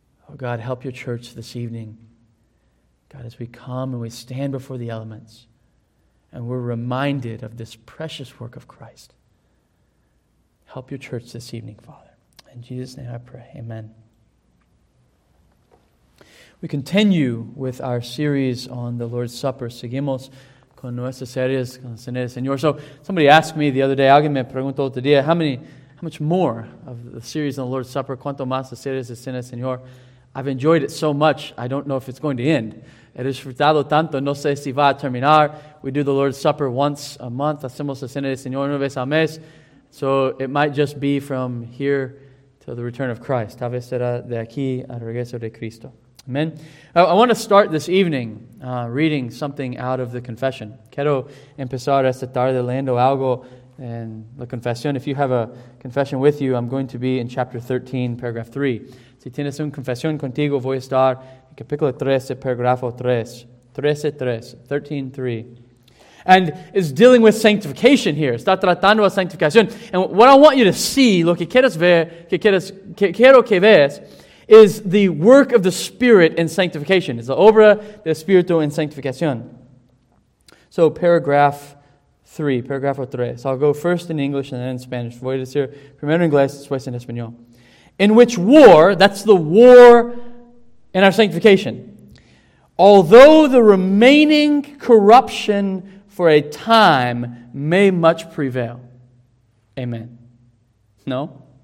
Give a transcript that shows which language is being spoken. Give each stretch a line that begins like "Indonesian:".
English: Oh God, help your church this evening. God, as we come and we stand before the elements and we're reminded of this precious work of Christ, help your church this evening, Father. In Jesus' name I pray, amen. We continue with our series on the Lord's Supper.
Spanish: Seguimos con nuestras series con el Señor.
English: So somebody asked me the other day,
Spanish: alguien me preguntó otro día,
English: how much more of the series on the Lord's Supper,
Spanish: cuánto más de series de el Señor?
English: I've enjoyed it so much, I don't know if it's going to end.
Spanish: He disfrutado tanto, no sé si va a terminar.
English: We do the Lord's Supper once a month,
Spanish: hacemos la cena del Señor una vez al mes.
English: So it might just be from here to the return of Christ.
Spanish: Tal vez será de aquí al regreso de Cristo.
English: Amen. I want to start this evening reading something out of the confession.
Spanish: Quiero empezar esta tarde leyendo algo en la confesión.
English: If you have a confession with you, I'm going to be in chapter 13, paragraph 3.
Spanish: Si tienes una confesión contigo, voy a estar en capítulo 13, paragrafo 3.
English: 13, 3. 13, 3. And it's dealing with sanctification here.
Spanish: Está tratando a sanctificación.
English: And what I want you to see,
Spanish: lo que quieres ver, quiero que veas,
English: is the work of the Spirit in sanctification. It's the
Spanish: obra del Espíritu en sanctificación.
English: So, paragraph 3,
Spanish: paragrafo 3.
English: So, I'll go first in English and then in Spanish.
Spanish: Voy a decir primero en inglés, después en español.
English: In which war, that's the war in our sanctification, although the remaining corruption for a time may much prevail. Amen. No?